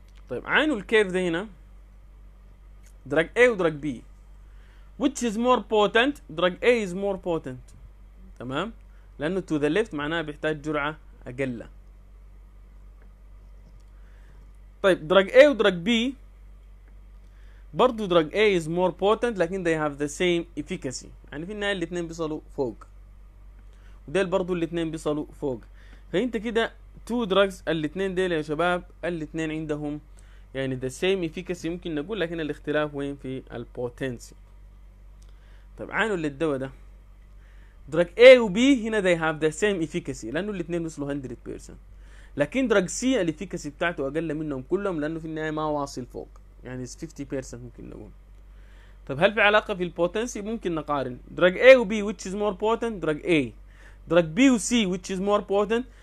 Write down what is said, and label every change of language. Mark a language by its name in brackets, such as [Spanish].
[Arabic] طيب عينوا الكيرف ده هنا [English] drug A ودrug B which is more potent. drug A is more potent. [Arabic] تمام؟ لأنه [English] to the left [Arabic] معناها بيحتاج جرعة أقل. [English] طيب drug A ودrug B برضو drug A is more potent لكن they have the same efficacy. [Arabic] يعني في النهاية الاثنين بيصلوا فوق وديل برضو الاثنين بيصلوا فوق. فأنت كده two drugs الاثنين ديل يا شباب الاثنين عندهم يعني [English] the same efficacy [Arabic] ممكن نقول لكن الاختلاف وين في ال potency. طيب عينوا للدواء ده drug A و B هنا [English] they have the same efficacy [Arabic] لانه الاثنين وصلوا 100% لكن drug C ال efficacy بتاعته اقل منهم كلهم لانه في النهاية ما واصل فوق يعني 50% ممكن نقول. طيب هل في علاقة في ال [English] potency؟ [Arabic] ممكن نقارن [English] drug A و B which is more potent drug A drug B و C which is more potent.